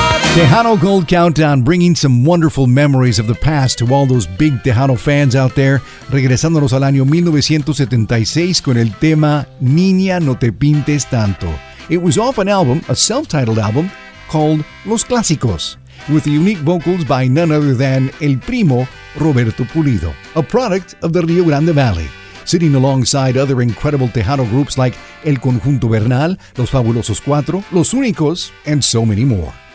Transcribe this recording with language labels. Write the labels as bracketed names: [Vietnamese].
[English] Tejano Gold Countdown, bringing some wonderful memories of the past to all those big Tejano fans out there. [Spanish] Regresándonos al año 1976 con el tema Niña, no te pintes tanto. [English] It was off an album, a self-titled album, called Los Clásicos, with the unique vocals by none other than El Primo Roberto Pulido, a product of the Rio Grande Valley. Sitting alongside other incredible Tejano groups like El Conjunto Bernal, Los Fabulosos Cuatro, Los Únicos, and so many more.